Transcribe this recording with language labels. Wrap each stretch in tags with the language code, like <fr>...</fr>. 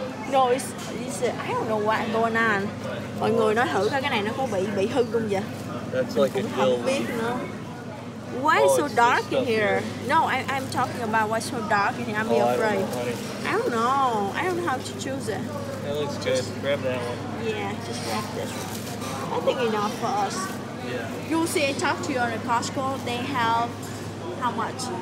<en>No, it's I don't know what's going on.</en> <vi>Mọi người nói thử coi cái này nó có bị hư không vậy?</vi> <en>That's like</en> <vi>cũng</vi> <en>a không biết nữa. Why is so dark in here? No, I'm talking about why so dark in here. I'm afraid. I don't know. I don't know how to choose it. That looks good. Grab that one. Yeah, just grab this one. I think enough for us. Yeah. You'll see, I talked to you on a Costco. They have how much?</en>